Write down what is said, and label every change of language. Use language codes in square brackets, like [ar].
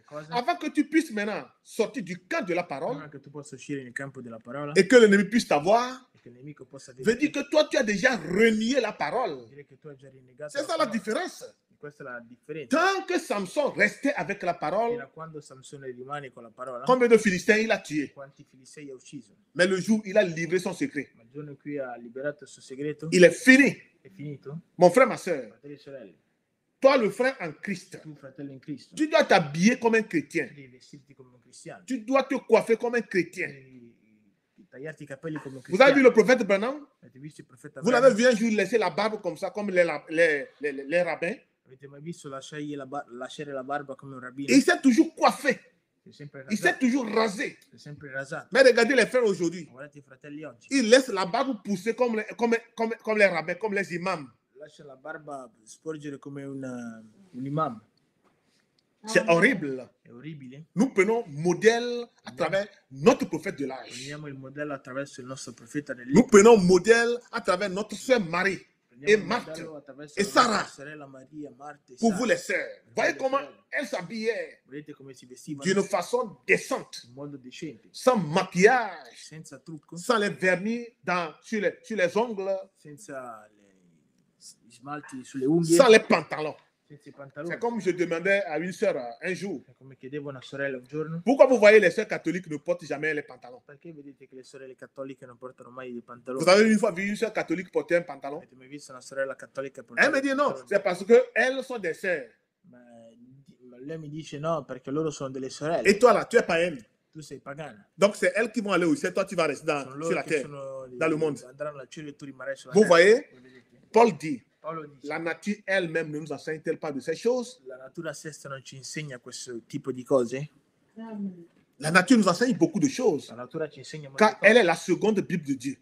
[fr] Avant que tu puisses maintenant sortir du camp de la parole, que tu puisses sortir du camp de la parole, et que l'ennemi puisse t'avoir, et que l'ennemi puisse avoir, veut dire que toi tu as déjà renié la parole. C'est ça la différence. [it] Questa è la differenza. [fr] Tant que Samson restait avec la parole, [it] fino a quando Samson rimane con la parola, [fr] combien de Philistins il a tué? [it] Quanti Filistei ha ucciso? [fr] Mais le jour il a livré son secret, [it] ma il giorno in cui ha liberato il suo segreto, [fr] il est fini. [it] È finito. [fr] Mon frère, ma soeur, [it] fratelli e sorelle. [fr] Toi, le frère en Christ, [it] tu, fratello in Cristo, [fr] tu dois t'habiller comme un chrétien. [it] Devi vestirti come un cristiano. [fr] Tu dois te coiffer comme un chrétien. [it] Devi tagliarti i capelli come un cristiano. [fr] Vous avez vu le prophète Branham? [it] Avete visto il profeta? [fr] Vous l'avez vu un jour laisser la barbe comme ça, comme les rabbins? [it] Avete mai visto lasciare la barba come un rabbino? [fr] Il s'est toujours coiffé. Il s'est toujours rasé. [it] C'est sempre rasato. [fr] Mais regardez les frères aujourd'hui. [it] Guardate i fratelli oggi. [fr] Ils laissent la barbe pousser comme les rabbins, comme les imams. [it] Lascia la barba sporgere come un imam. [fr] C'est horrible. [it] È orribile. [fr] Nous prenons modèle à travers notre prophète de l'âge. [it] Prendiamo il modello attraverso il nostro profeta dell'age. [fr] Nous prenons modèle à travers notre sœur Marie et Marthe et Sarah. [it] Sorella Maria, Marthe, [fr] pour vous les sœurs. Voyez comment elles s'habillaient. [it] Vedete come si vestivano. [fr] D'une façon décente. [it] In modo decente. [fr] Sans maquillage. [it] Senza trucco. [fr] Sans les vernis sur les ongles. [it] Senza gli smalti sulle unghie, [fr] sans les pantalons. [it] Senza i pantaloni. [fr] C'est comme je demandais à une sœur un jour. [it] C'è come chiedevo a una sorella un giorno. [fr] Pourquoi vous voyez les sœurs catholiques ne portent jamais les pantalons? [it] Perché vedete che le sorelle cattoliche non portano mai i pantaloni? [fr] Vous avez une fois vu une sœur catholique porter un pantalon? [it] Avete mai visto una sorella cattolica portare? [fr] Elle me dit non, c'est parce que elles sont des sœurs. [it] Ma [fr] Lui me dit non, parce que loro sont des sorelles. Et toi là, tu es païenne. Tu es pagane. Donc c'est elles qui vont aller au ciel, toi tu vas rester dans, sur la terre, dans le monde. Vous voyez, Paul dit, la nature elle-même ne nous enseigne-t-elle pas de ces choses? [it] La natura stessa non ci insegna questo tipo di cose? [fr] La nature nous enseigne beaucoup de choses. [it] La natura ci insegna molto. [fr] Car elle est la seconde Bible de Dieu.